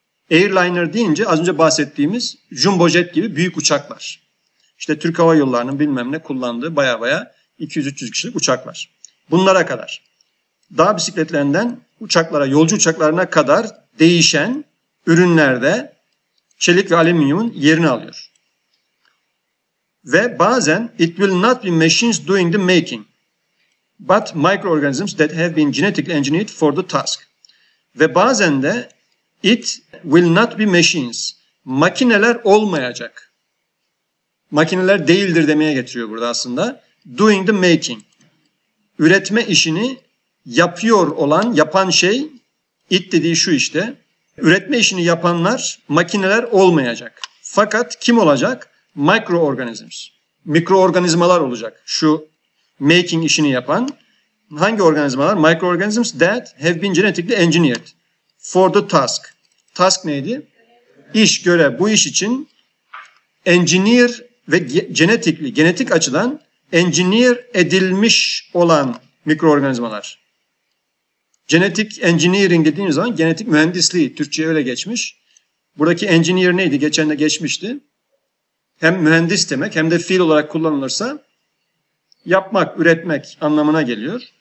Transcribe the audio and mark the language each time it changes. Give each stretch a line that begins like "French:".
Turkish: Airliner deyince az önce bahsettiğimiz jumbo jet gibi büyük uçaklar. İşte Türk Hava Yolları'nın bilmem ne kullandığı baya baya 200-300 kişilik uçaklar. Bunlara kadar. Dağ bisikletlerinden uçaklara, yolcu uçaklarına kadar değişen ürünlerde çelik ve alüminyumun yerini alıyor. Ve bazen
English: it will not be machines doing the making. But microorganisms that have been genetically engineered for the task.
Turkish: Ve bazen de
English: it will not be machines.
Turkish: Makineler olmayacak. Makineler değildir demeye getiriyor burada aslında.
English: Doing the making.
Turkish: Üretme işini yapıyor olan, yapan şey it dediği şu işte. Üretme işini yapanlar makineler olmayacak. Fakat kim olacak? Microorganisms. Mikroorganizmalar olacak. Şu making işini yapan. Hangi organizmalar?
English: Microorganisms that have been genetically engineered for the task.
Turkish: Task neydi? İş, görev. Bu iş için engineer ve genetikli, genetik açıdan engineer edilmiş olan mikroorganizmalar. Genetik engineering dediğimiz zaman genetik mühendisliği, Türkçe'ye öyle geçmiş. Buradaki engineer neydi? Geçen de geçmişti. Hem mühendis demek hem de fiil olarak kullanılırsa yapmak, üretmek anlamına geliyor.